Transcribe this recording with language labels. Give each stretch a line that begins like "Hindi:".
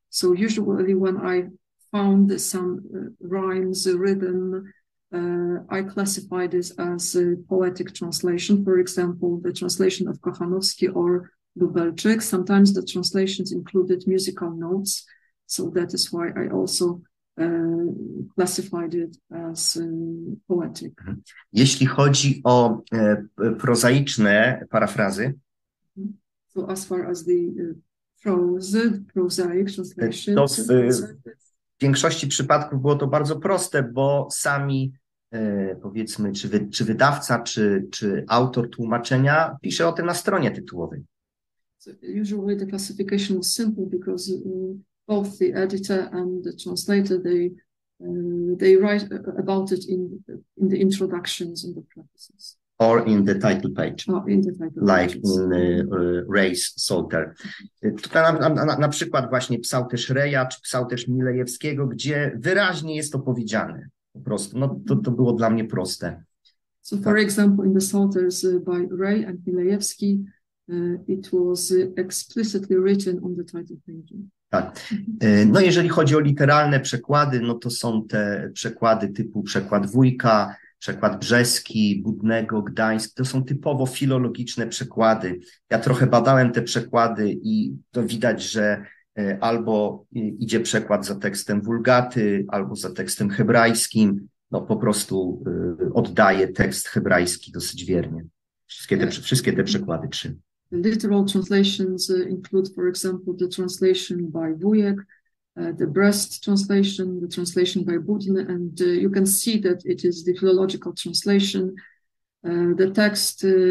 English: So usually when I found some rhymes, rhythm, I classified this as a poetic translation, for example, the translation of Kochanowski or Lubelczyk. Sometimes the translations included musical notes, so that is why I also classified it as poetic.
Polish: Jeśli chodzi o prozaiczne parafrazy.
English: So as far as the prosaic translation.
Polish: W większości przypadków było to bardzo proste, bo sami, powiedzmy, czy wydawca, czy autor tłumaczenia pisze o tym na stronie tytułowej.
English: So usually the classification was simple because both the editor and the translator, they write about it in the introductions and the prefaces. Or in the title page, like in Ray's Psalter.
Polish: Tutaj na przykład właśnie psałterz Reja czy psałterz Milejewskiego, gdzie wyraźnie jest to powiedziane. Po prostu, no to było dla mnie proste.
English: So for example, in the Psalters by Ray and Milejewski, it was explicitly written on the title page.
Polish: Tak. No jeżeli chodzi o literalne przekłady, no to są te przekłady typu przekład Wujka, przekład Brzeski, Budnego, Gdańsk, to są typowo filologiczne przekłady. Ja trochę badałem te przekłady i to widać, że albo idzie przekład za tekstem Wulgaty, albo za tekstem hebrajskim, no po prostu oddaje tekst hebrajski dosyć wiernie. Wszystkie te przekłady trzy.
English: The literal translations include, for example, the translation by Wujek, the Brest translation, the translation by Budin, and you can see that it is the philological translation. The text